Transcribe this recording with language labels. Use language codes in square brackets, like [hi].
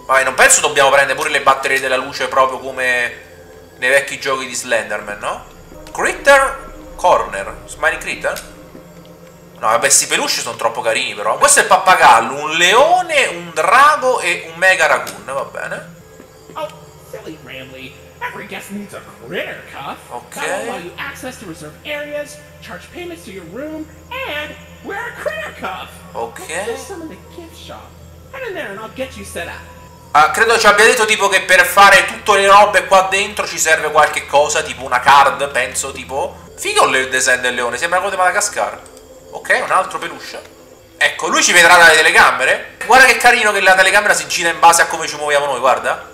[it] Vabbè, non penso dobbiamo prendere pure le batterie della luce proprio come nei vecchi giochi di Slenderman, no? Critter Corner, Smiley Critter? No, vabbè, sti peluche sono troppo carini, però. Questo è il pappagallo, un leone, un drago e un mega raccoon, va bene. [en] Oh, silly Rambly. Every guest needs a critter cuff. Okay. That'll allow you access to reserved areas, charge payments to your room, and wear a critter cuff. Okay. Let's get some in the gift shop. Head in there and I'll get you set up. [it] Credo ci abbia detto tipo che per fare tutte le robe qua dentro ci serve qualche cosa, tipo una card, penso, tipo. Figo il design del leone, sembra come di Madagascar. Ok, un altro peluche. Ecco, lui ci vedrà dalle telecamere. Guarda che carino che la telecamera si gira in base a come ci muoviamo noi, guarda.